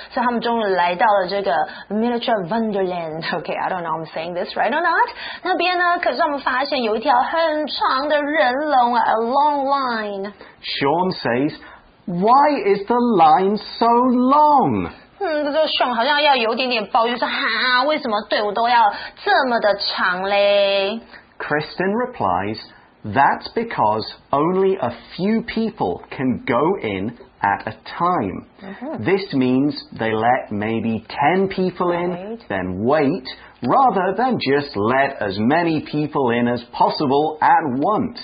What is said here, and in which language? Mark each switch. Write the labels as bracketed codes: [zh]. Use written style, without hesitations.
[zh] 所以他们终于来到了这个 Miniature Wonderland. [en] Okay, I don't know if I'm saying this right or not. [zh] 那边呢，可是我们发现有一条很长的人龙啊， [en] a long line. Sean says, why is the line so long? [zh] 这个 Sean 好像要有点点抱怨说哈，为什么队伍都要这么的长嘞 [en] ？Kristen replies, "That's because only a few people can go in at a time. This means they let maybe 10 people in, then wait, rather than just let as many people in as possible at once."